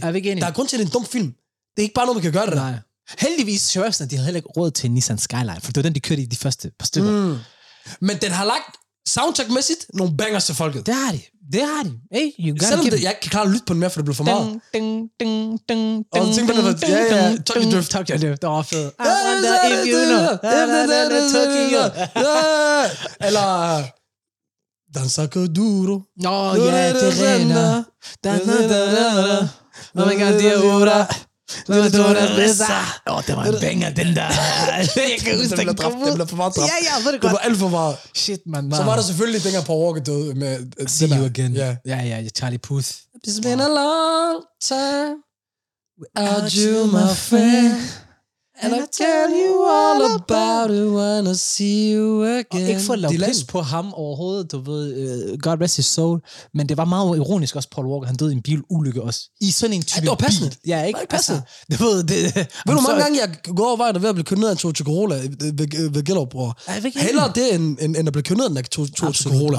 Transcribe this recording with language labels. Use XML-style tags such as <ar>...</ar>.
<da>er vi ikke enige? Der er grund til, at det er en dum film. Det er ikke bare noget, man kan gøre det. Nej. Heldigvis, shababsene, de havde heller ikke råd til en Nissan Skyline, for det var den, de kørte i de første par stykker. Mm. Men den har lagt soundtrack-mæssigt nogle bangers til folket. Det har de. Det har de.</da> <en>Hey, you gotta</en> <da>selvom jeg ikke kan klare at lytte på den mere, for det blev for meget. Ding, ding, ding, ding, ding, ding, ding, ding, ding. Tokyo Drift. Tokyo Drift, det var fedt.</da> <en>I wonder if you know.</en> <da>Da, da, da, da, Tokyo. Eller...</da> <es>Danza que duro.</es> <da>Åh, ja, det er rena. Da, da, da, da, da. Nå, men gør det ura. Nå, men gør det ura. Åh, det var en banger, den der. Jeg kan huske, det blev for meget drabt. Ja, ved du godt. Det var alt for meget. Shit, man. Så var der selvfølgelig dengang Paul Walker død med...</da> <en>See you again.</en> <da>Ja, ja, ja, Charlie Puth.</da> <en>It's been a long time without you, my friend. And I'll tell you all about it when I see you again.</en> <da>Og ikke for at lave pind på ham overhovedet, du ved,</da> <en>God rest his soul.</en> <da>Men det var meget ironisk også, Paul Walker, han døde i en bilulykke også. I sådan en type bil. Det var passende. Ja, ikke? Passende. Det var passende. Det, ved du, mange gange, jeg går over vejen, der ved at blive kørt ned af en Toyota Corolla ved Gellerup, bror. Hellere det, end at blive kørt ned af en Toyota Corolla.</da>